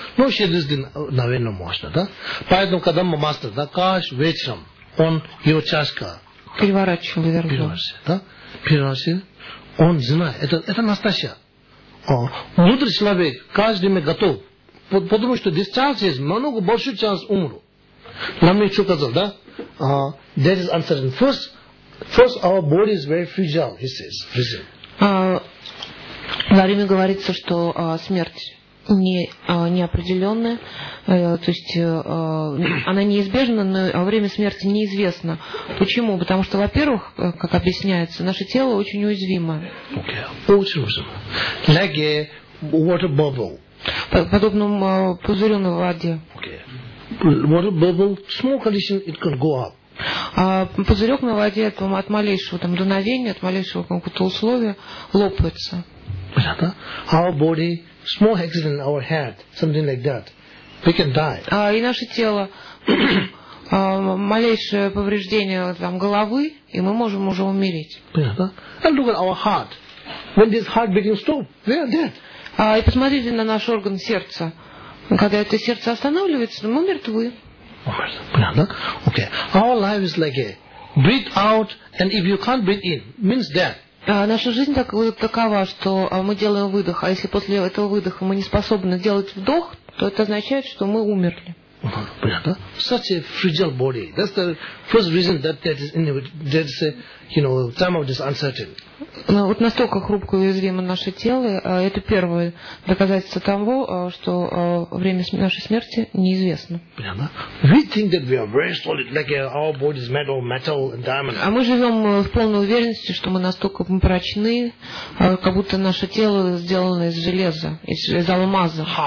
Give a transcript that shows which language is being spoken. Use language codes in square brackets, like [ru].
[ru] Ну, через день, наверное, можно, да? Поэтому, когда мы мастер, да, каждый вечером, он его чашка... Переворачивал, вернул. Переворачивал, да? Переворачивал. Он знает. Это настоящее. Мудрый человек каждый день готов. Потому что здесь шанс есть, много больше шанс умру. Нам еще сказал, да? [en] There is uncertainty. First, our body is very fragile, he says. Listen. [ru] Во время говорится, что смерть неопределенная, то есть она неизбежна, но время смерти неизвестно. Почему? Потому что, во-первых, как объясняется, наше тело очень уязвимое. Очень уязвимо. [en] Like a water bubble. [ru] Подобному пузырю на воде. [en] Okay. Water bubble, small condition, it can go up. [ru] Пузырек на воде от малейшего там, дуновения, от малейшего какого-то условия лопается. Понятно? [en] Our body, small accident in our head, something like that, we can die. [ru] И наше тело, малейшее повреждение там, головы, и мы можем уже умереть. Понятно? [en] And look at our heart. When this heart begins to stop, we are dead. [ru] И посмотрите на наш орган сердца. Когда это сердце останавливается, мы мертвы. Понятно? Okay. [en] Our life is like a breathe out, and if you can't breathe in, means death. [ru] Наша жизнь такова, что мы делаем выдох, а если после этого выдоха мы не способны делать вдох, то это означает, что мы умерли. Понятно? [en] Such a fragile body. That's the first reason that is in the, that's, you know, time of this uncertainty. [ru] Вот настолько хрупко и уязвимо наше тело, это первое доказательство того, что время нашей смерти неизвестно. А мы живем в полной уверенности, что мы настолько прочны, как будто наше тело сделано из железа, из алмаза.